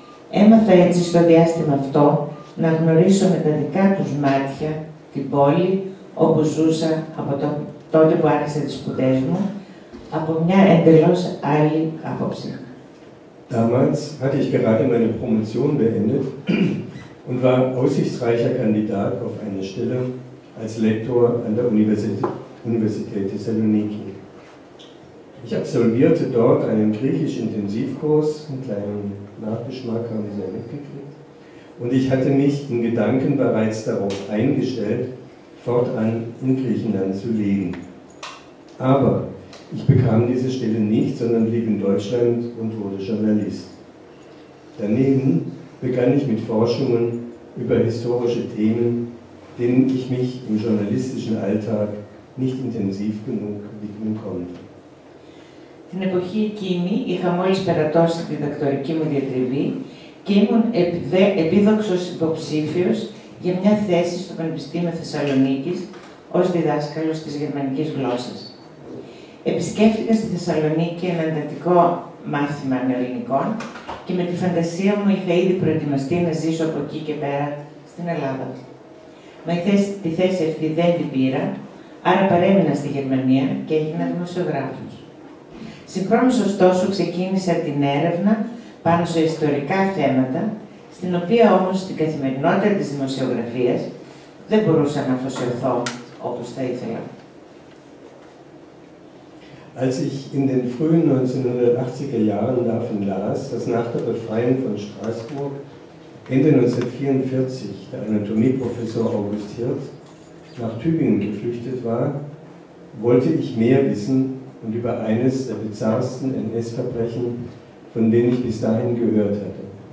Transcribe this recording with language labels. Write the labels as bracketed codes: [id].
[el] Έμαθα έτσι στο διάστημα αυτό να γνωρίσω με τα δικά τους μάτια την πόλη όπου ζούσα από το τότε που άρχισε τις σπουδές μου, από μια εντελώς άλλη απόψη. [de] Damals hatte ich gerade meine Promotion beendet und war aussichtsreicher Kandidat auf eine Stelle als Lektor an der Universität Thessaloniki. Ich absolvierte dort einen Griechisch-Intensivkurs, einen kleinen Nachgeschmack haben Sie ja mitgekriegt, und ich hatte mich in Gedanken bereits darauf eingestellt, fortan in Griechenland zu leben. Aber ich bekam diese Stelle nicht, sondern blieb in Deutschland und wurde Journalist. Daneben begann ich mit Forschungen über historische Themen, denen ich mich im journalistischen Alltag nicht intensiv genug widmen konnte. [el] Την εποχή εκείνη είχα μόλις περατώσει τη διδακτορική μου διατριβή και ήμουν επίδοξος υποψήφιος για μια θέση στο Πανεπιστήμιο Θεσσαλονίκης ως διδάσκαλος της γερμανικής γλώσσας. Επισκέφθηκα στη Θεσσαλονίκη ένα εντατικό μάθημα νεοελληνικών και με τη φαντασία μου είχα ήδη προετοιμαστεί να ζήσω από εκεί και πέρα στην Ελλάδα. Μα τη θέση αυτή δεν την πήρα, άρα παρέμεινα στη Γερμανία και έγινα δημοσιογράφος. Συγχρόνως, ωστόσο, ξεκίνησα την έρευνα πάνω σε ιστορικά θέματα, στην οποία όμως στην καθημερινότητα της δημοσιογραφίας δεν μπορούσα να αφοσιωθώ όπως θα ήθελα. [de] Als ich in den frühen 1980er Jahren davon las, dass nach der Befreiung von Straßburg Ende 1944 der Anatomieprofessor August Hirt nach Tübingen geflüchtet war, wollte ich mehr wissen und über eines der bizarrsten NS-Verbrechen, von denen ich bis dahin gehört hatte.